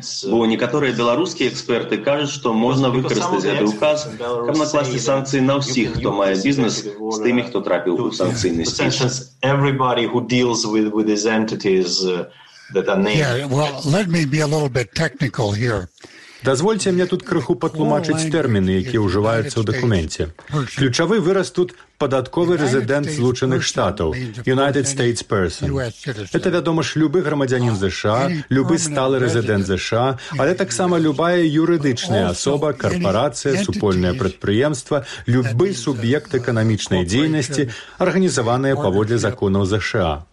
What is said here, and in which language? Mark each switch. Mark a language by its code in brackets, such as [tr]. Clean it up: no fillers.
[be] Бо некаторыя беларускія эксперты кажуць, што можна выкарыстаць гэты указ, каб накласці санкцій на ўсіх, хто мае бізнес, з тымі, хто трапіў у санкційны спіс. [en] Everybody who deals with these entities that are named. Yeah, well, let me be a little bit technical here. [be] Дазвольце мне тут крыху патлумачыць тэрміны, якія ўжываюцца ў дакуменце. Ключавы выраз тут – падатковы рэзідэнт Злучаных Штатаў, United States Person. Это, вядома ж, любы грамадзянін ЗША, любы сталы рэзідэнт ЗША, але таксама любая юрыдычная асоба, карпарацыя, супольнае прадпрыемства, любы суб'ект эканамічнай дзейнасці, арганізаваныя паводле законаў ЗША.